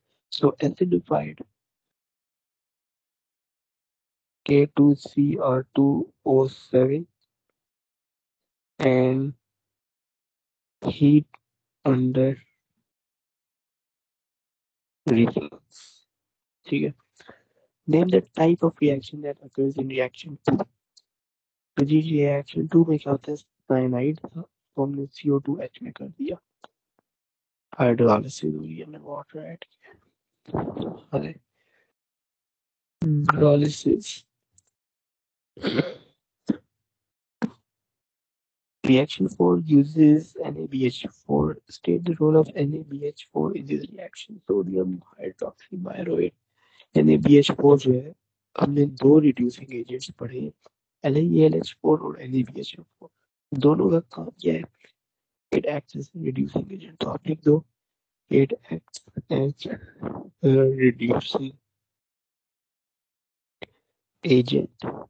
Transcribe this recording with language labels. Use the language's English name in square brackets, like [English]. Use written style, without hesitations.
[English] So acidified K2Cr2O7 and heat under reflux. [Hindi] ठीक है, [English] name the type of reaction that occurs in reaction 2। [Hindi] तो जी reaction 2 में क्या होता है, cyanide था तो हमने CO2H में कर दिया, hydrolysis हुई हमने water add किया, अरे hydrolysis [English] reaction 4 uses NaBH4, state the role of NaBH4 in this reaction, sodium hydroxybutyrate। [Hindi] NaBH4 जो है हमने दो रिड्यूसिंग एजेंट्स पढ़े NaAlH4 और NaBH4, दोनों का काम क्या है, [English] It acts as reducing agent. [Hindi] तो आप लिख दो [English] It acts as reducing agent.